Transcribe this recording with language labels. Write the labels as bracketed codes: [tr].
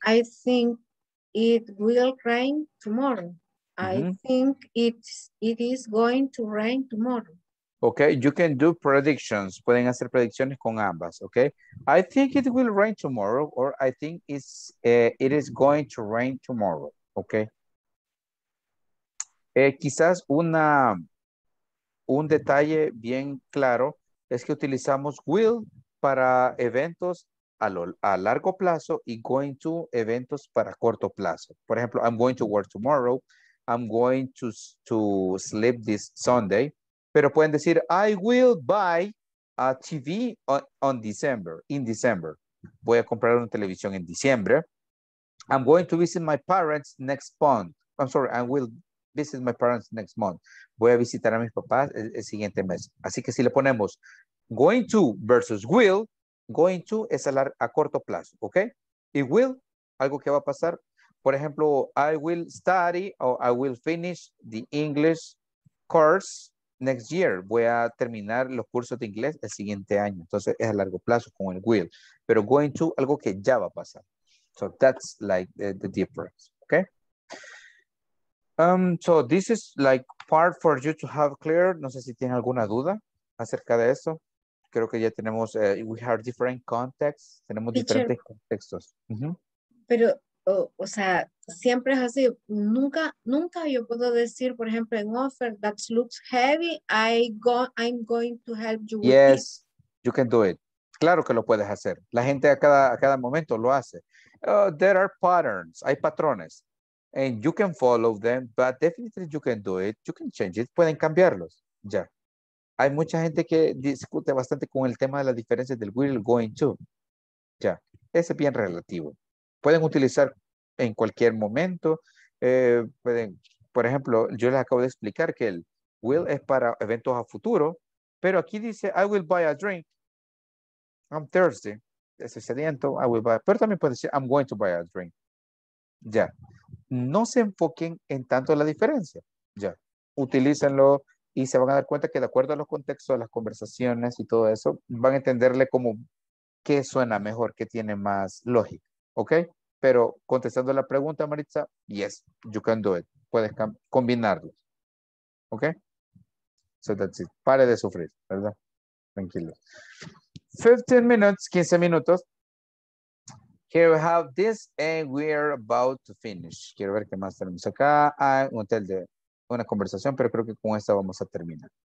[en] I think it will rain tomorrow. Mm-hmm. I think it is going to rain tomorrow. Okay, you can do predictions. [es] Pueden hacer predicciones con ambas, okay? [en] I think it will rain tomorrow or I think it is going to rain tomorrow, okay? [es] Quizás un detalle bien claro es que utilizamos will para eventos a largo plazo y going to eventos para corto plazo. Por ejemplo, [en] I'm going to work tomorrow. I'm going to sleep this Sunday. [es] Pero pueden decir, [en] I will buy a TV in December. [es] Voy a comprar una televisión en diciembre. [en] I'm going to visit my parents next month. I'm sorry, I will visit my parents next month. [es] Voy a visitar a mis papás el siguiente mes. Así que si le ponemos going to versus will, going to es a corto plazo, ¿ok? Y will, algo que va a pasar. Por ejemplo, [en] I will study or I will finish the English course next year. [es] Voy a terminar los cursos de inglés el siguiente año. Entonces es a largo plazo con el will. Pero going to, algo que ya va a pasar. [en] So that's like the difference, [es] ¿ok? [en] So this is like part for you to have clear. [es] No sé si tienen alguna duda acerca de eso. Creo que ya tenemos, [en] we have different contexts. [es] Tenemos diferentes contextos. Pero, o sea, siempre es así. Nunca yo puedo decir, por ejemplo, [en] an offer that looks heavy, I'm going to help you with yes, this. You can do it. [es] Claro que lo puedes hacer. La gente a cada momento lo hace. [en] There are patterns. [es] Hay patrones. [en] And you can follow them, but definitely you can do it. You can change it. [es] Pueden cambiarlos. Ya. Hay mucha gente que discute bastante con el tema de las diferencias del will going to. Ya. Ese es bien relativo. Pueden utilizar en cualquier momento. Pueden, por ejemplo, yo les acabo de explicar que el will es para eventos a futuro. Pero aquí dice, [en] I will buy a drink. I'm thirsty. [es] Estoy sediento. [en] I will buy. [es] Pero también puede decir, [en] I'm going to buy a drink. [es] Ya. No se enfoquen en tanto la diferencia. Ya. Utilícenlo y se van a dar cuenta que de acuerdo a los contextos, a las conversaciones y todo eso, van a entenderle como qué suena mejor, qué tiene más lógica. ¿Ok? Pero contestando la pregunta, Maritza, [en] yes, you can do it. [es] Puedes combinarlo. ¿Ok? [en] So that's it. [es] Pare de sufrir, ¿verdad? Tranquilo. [en] 15 minutes. Here we have this, and we are about to finish. [es] Quiero ver qué más tenemos acá. Ah, un hotel de una conversación, pero creo que con esta vamos a terminar.